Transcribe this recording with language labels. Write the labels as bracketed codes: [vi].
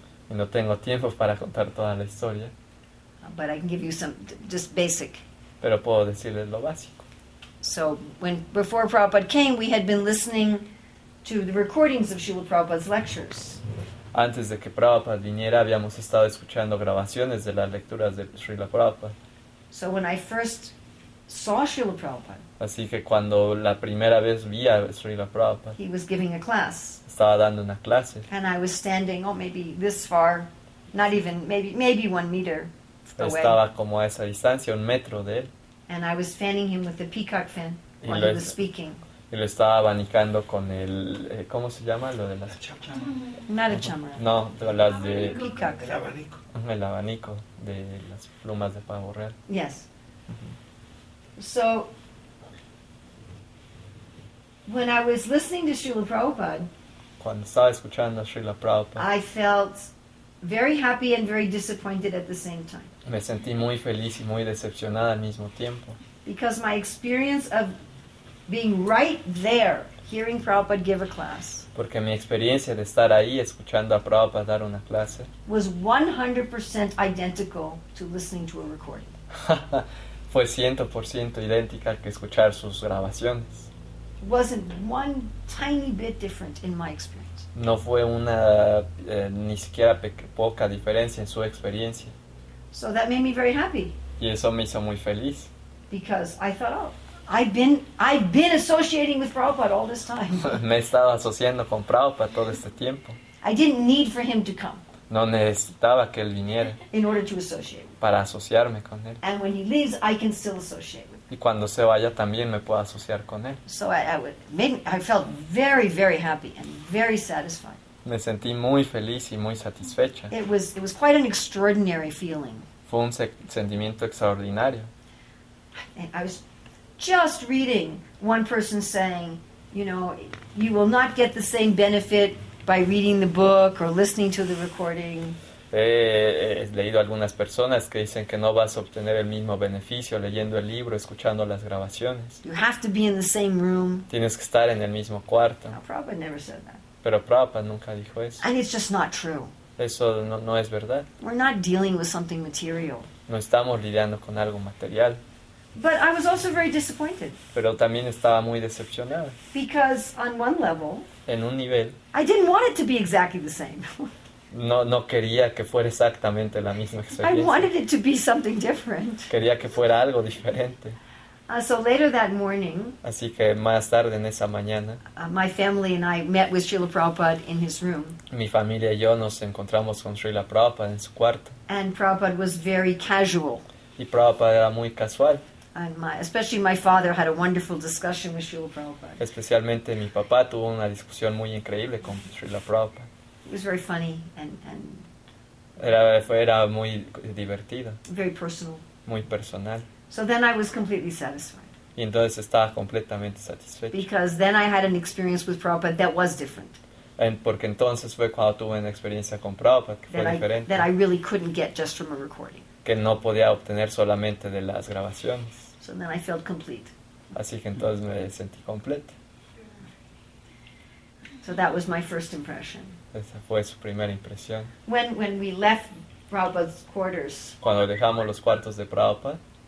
[es] Y no tengo tiempo para contar toda la historia. [en] But I can give you some, just basic. [es] Pero puedo decirles lo básico. [en] So when before Prabhupada came, we had been listening to the recordings of Srila Prabhupada's lectures. [es] Antes de que Prabhupada viniera, habíamos estado escuchando grabaciones de las lecturas de Srila Prabhupada. [en] So when I first saw Srila Prabhupada. [es] Así que cuando la primera vez vi a Srila Prabhupada, [en] he was giving a class. [es] Estaba dando una clase. [en] And I was standing, oh, maybe this far, not even, maybe 1 meter away. [es] Estaba como a esa distancia, 1 metro de él. [en] And I was fanning him with the peacock fan while he was speaking. [es] Y lo estaba abanicando con el, ¿cómo se llama? Lo de las [en] not a chamara. [es] No, las de [en] peacock. [es] El abanico. El abanico de las plumas de pavo real. [en] Yes. So, when I was listening to Srila Prabhupada, [es] cuando estaba escuchando a Srila Prabhupada, [en] I felt very happy and very disappointed at the same time. [es] Me sentí muy feliz y muy decepcionada al mismo tiempo. [en] Because my experience of being right there, hearing Prabhupada give a class, [es] porque mi experiencia de estar ahí escuchando a Prabhupada dar una clase, [en] was 100% identical to listening to a recording. [es] Fue 100% idéntica que escuchar sus grabaciones. [en] Wasn't one tiny bit different in my experience. [es] No fue una ni siquiera poca diferencia en su experiencia. [en] So that made me very happy. [es] Y eso me hizo muy feliz. [en] Because I thought, oh, I've been associating with Prabhupada all this time. [es] Me he estado asociando con Prabhupada todo este tiempo. [en] I didn't need for him to come. [es] No necesitaba que él viniera. [en] In order to associate. [es] Para asociarme con él. [en] And when he leaves, I can still associate with him. [es] Y cuando se vaya también me puedo asociar con él. [en] So I felt very, very happy and very satisfied. [es] Me sentí muy feliz y muy satisfecha. [en] It was quite an extraordinary feeling. [es] Fue un sentimiento extraordinario. [en] And I was just reading one person saying, you know, you will not get the same benefit by reading the book or listening to the recording. [es] He leído algunas personas que dicen que no vas a obtener el mismo beneficio leyendo el libro, escuchando las grabaciones. [en] You have to be in the same room. [es] Tienes que estar en el mismo cuarto. [en] No, Prabhupada never said that. [es] Pero Prabhupada nunca dijo eso. [en] And it's just not true. [es] Eso no es verdad. [en] We're not dealing with something material. [es] No estamos lidiando con algo material. [en] But I was also very disappointed. [es] Pero también estaba muy decepcionada. [en] Because on one level, [es] en un nivel, [en] I didn't want it to be exactly the same. [es] No quería que fuera exactamente la misma experiencia. [en] I wanted it to be something different. [es] Quería que fuera algo diferente. [en] So later that morning, [es] así que más tarde en esa mañana, [en] my family and I met with Srila Prabhupada in his room. [es] Mi familia y yo nos encontramos con Srila Prabhupada en su cuarto. [en] And Prabhupada was very casual. [es] Y Prabhupada era muy casual. [en] And especially my father had a wonderful discussion with Srila Prabhupada. [es] Especialmente mi papá tuvo una discusión muy increíble con Srila Prabhupada. [en] It was very funny and [es] Era muy divertido. [en] Very personal. [es] Muy personal. [en] So then I was completely satisfied. [es] Y entonces estaba completamente satisfecho. [en] Because then I had an experience with Prabhupada that was different. [es] And porque entonces fue cuando tuve una experiencia con Prabhupada que [en] that [es] fue [en] I, [es] diferente. [en] That I really couldn't get just from a recording. [es] Que no podía obtener solamente de las grabaciones. [en] So then I felt complete. [es] Así que entonces me sentí completo. [en] So that was my first impression. [es] Esa fue su primera impresión. [en] When we left Prabhupada's quarters. [es] Cuando dejamos los cuartos de Prabhupada.